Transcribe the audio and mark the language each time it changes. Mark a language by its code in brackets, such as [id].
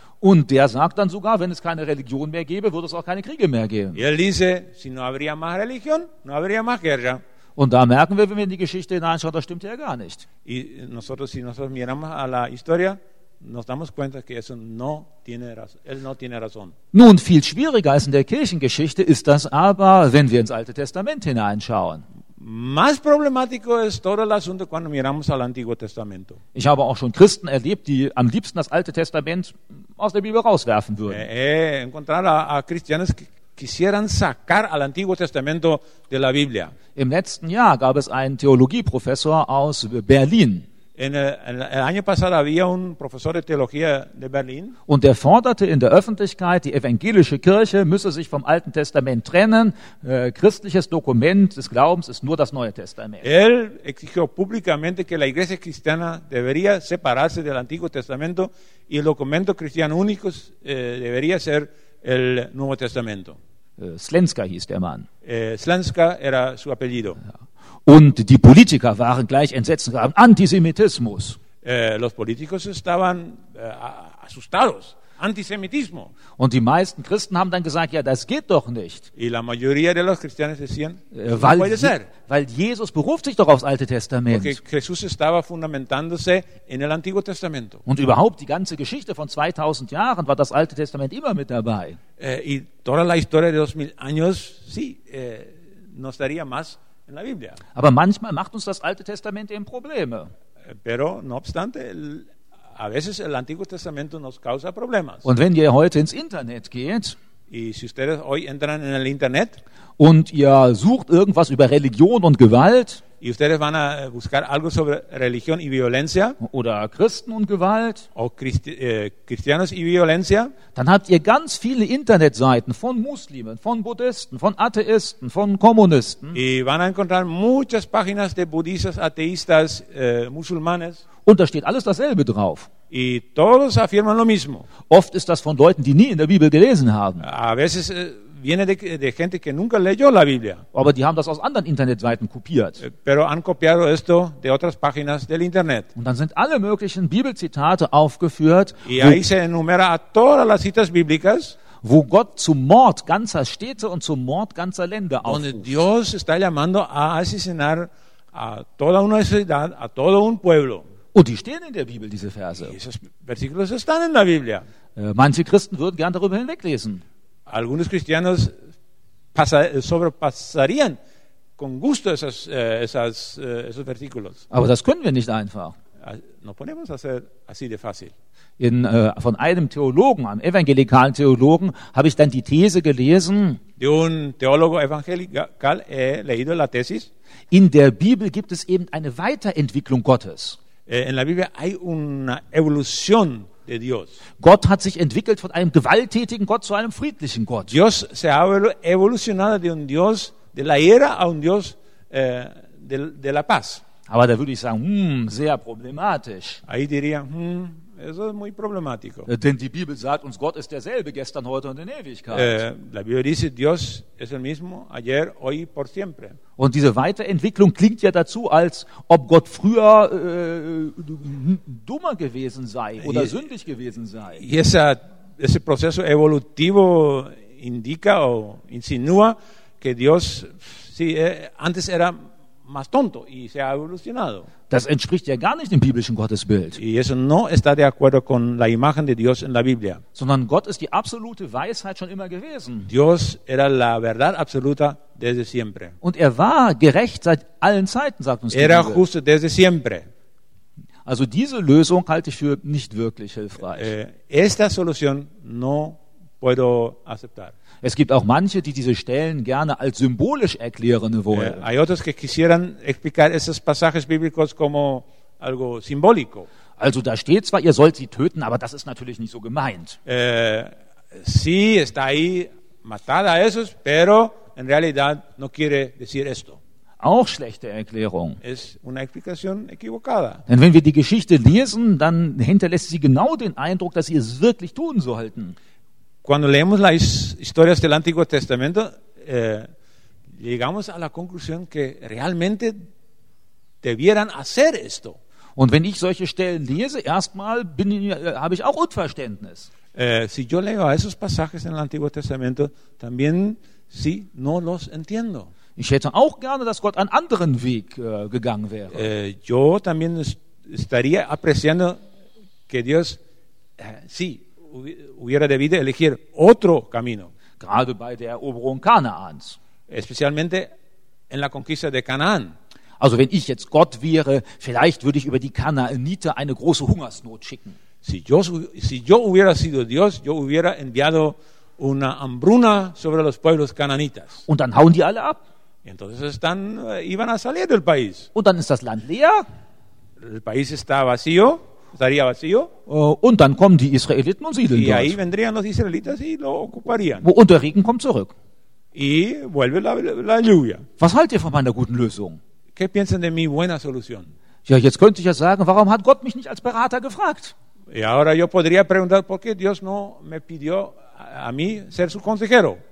[de] Und der sagt dann sogar, wenn es keine Religion mehr gäbe, würde es auch keine Kriege mehr geben. [es] Y él dice, si no habría más religión, no habría más guerra. [de] Und da merken wir, wenn wir in die Geschichte hineinschauen, das stimmt ja gar nicht. [es] Y nosotros, si nosotros miramos a la historia, nos damos cuenta que eso no tiene razón. [de] Nun, viel schwieriger als in der Kirchengeschichte ist das aber, wenn wir ins Alte Testament hineinschauen. [es] Más problemático es todo el asunto cuando miramos al Antiguo Testamento. [de] Ich habe auch schon Christen erlebt, die am liebsten das Alte Testament aus der Bibel rauswerfen würden. [es] Encontrar a cristianos quisieran sacar al Antiguo Testamento de la Biblia. [de] Im letzten Jahr gab es einen Theologieprofessor aus Berlin. [es] El año pasado había un profesor de teología de Berlín. [de] Und der forderte in der Öffentlichkeit, die evangelische Kirche müsse sich vom Alten Testament trennen. Christliches Dokument des Glaubens ist nur das Neue Testament. [es] Él exigió públicamente que la iglesia cristiana debería separarse del Antiguo Testamento y el documento cristiano único debería ser el Nuevo Testamento. [de] Slenska hieß der Mann. [es] Slenska era su apellido. [de] Und die Politiker waren gleich entsetzt und sagten, Antisemitismus. [es] Los políticos estaban asustados. Antisemitismo. [de] Und die meisten Christen haben dann gesagt, ja, das geht doch nicht. [es] Y la mayoría de los cristianos decían, [de] weil, [es] puede ser. [de] Weil Jesus beruft sich doch aufs Alte Testament. [es] Porque Jesús estaba fundamentándose en el Antiguo Testamento. [de] Und überhaupt die ganze Geschichte von 2000 Jahren war das Alte Testament immer mit dabei. [es] Y toda la historia de 2000 años, sí, no estaría más. [de] Aber manchmal macht uns das Alte Testament eben Probleme. [es] Pero no obstante, a veces el Antiguo Testamento nos causa problemas. [de] Und wenn ihr heute ins Internet geht, [es] y si ustedes hoy entran en el Internet, [de] und ihr sucht irgendwas über Religion und Gewalt, [es] y ustedes van a buscar algo sobre religión y violencia, [de] oder Christen und Gewalt, [es] o cristianos y violencia, [de] dann habt ihr ganz viele Internetseiten von Muslimen, von Buddhisten, von Atheisten, von Kommunisten, [es] y van a encontrar muchas páginas de budistas, ateístas, musulmanes, [de] und da steht alles dasselbe drauf. [es] Y todos afirman lo mismo. [de] Oft ist das von Leuten, die nie in der Bibel gelesen haben. [es] A veces viene de gente que nunca leyó la Biblia. [de] Aber die haben das aus anderen Internetseiten kopiert. [es] Pero han copiado esto de otras páginas del Internet. [de] Und dann sind alle möglichen Bibelzitate aufgeführt. [es] Y ahí se enumera a todas las citas bíblicas. [de] Wo Gott zum Mord ganzer Städte und zum Mord ganzer Länder aufruft. [es] Donde Dios está llamando a asesinar a toda una ciudad, a todo un pueblo. [de] Und die stehen in der Bibel, diese Verse. [es] Esos versículos están en la Biblia. [de] Manche Christen würden gern darüber hinweglesen. [es] Algunos cristianos sobrepasarían con gusto esos versículos. [de] Aber das können wir nicht einfach. [es] No podemos hacer así de fácil. [de] Von einem Theologen, einem evangelikalen Theologen, habe ich dann die These gelesen. [es] De un teólogo evangelical he leído la tesis. [de] In der Bibel gibt es eben eine Weiterentwicklung Gottes. [es] En la Biblia hay una evolución. [de] Gott hat sich entwickelt von einem gewalttätigen Gott zu einem friedlichen Gott. [es] Dios se ha evolucionado de un Dios de la ira a un Dios de la paz. [de] Aber da würde ich sagen, sehr problematisch. [es] Ahí diría, eso es muy problemático. [de] Denn die Bibel sagt uns, Gott ist derselbe gestern, heute und in Ewigkeit. [es] La Biblia dice, Dios es el mismo ayer, hoy y por siempre. [de] Und diese Weiterentwicklung klingt ja dazu, als ob Gott früher dummer gewesen sei oder sündig gewesen sei. [es] Y ese proceso evolutivo indica o insinúa que Dios antes era más tonto y se ha evolucionado. [de] Das entspricht ja gar nicht dem biblischen Gottesbild. [es] Y eso no está de acuerdo con la imagen de Dios en la Biblia. [de] Sondern Gott ist die absolute Weisheit schon immer gewesen. [es] Dios era la verdad absoluta desde siempre. [de] Und er war gerecht seit allen Zeiten, sagt uns die Bibel. [es] Era justo desde siempre. [de] Also diese Lösung halte ich für nicht wirklich hilfreich. [es] Esta solución no puedo aceptar. [de] Es gibt auch manche, die diese Stellen gerne als symbolisch erklären wollen. [es] Hay otros que quisieran explicar esos pasajes bíblicos como algo simbólico. [de] Also da steht zwar, ihr sollt sie töten, aber das ist natürlich nicht so gemeint. [es] Sí, está ahí, matad a esos, pero en realidad no quiere decir esto. [de] Auch schlechte Erklärung. [es] Es una explicación equivocada. [de] Denn wenn wir die Geschichte lesen, dann hinterlässt sie genau den Eindruck, dass sie es wirklich tun sollten. [es] Cuando leemos las historias del Antiguo Testamento, llegamos a la conclusión que realmente debieran hacer esto. [de] Und wenn ich solche Stellen lese, erstmal habe ich auch Unverständnis. [es] Si yo leo a esos pasajes en el Antiguo Testamento, también sí, no los entiendo. [de] Ich hätte auch gerne, dass Gott einen anderen Weg gegangen wäre. [es] Yo también estaría apreciando que Dios, sí, hubiera debido elegir otro camino. [de] Gerade bei der Eroberung Kanaans. [es] Especialmente en la conquista de Canaán. [de] Also wenn ich jetzt Gott wäre, vielleicht würde ich über die Kanaaniter eine große Hungersnot schicken. [es] Si yo hubiera sido Dios, yo hubiera enviado una hambruna sobre los pueblos cananitas. [de] Und dann hauen die alle ab. [es] Y entonces están, iban a salir del país. [de] Und dann ist das Land leer. [es] El país está vacío, estaría vacío. [de] Und dann kommen die Israeliten und siedeln dort. [es] Y ahí vendrían los israelitas y lo ocuparían. [de] Und der Regen kommt zurück. [es] Y vuelve la lluvia. [de] Was haltet ihr von meiner guten Lösung? [es] ¿Qué piensan de mi buena solución? [de] Ja, jetzt könnte ich ja sagen, warum hat Gott mich nicht als Berater gefragt? [es] Y ahora yo podría preguntar por qué Dios no me pidió a mí ser su consejero.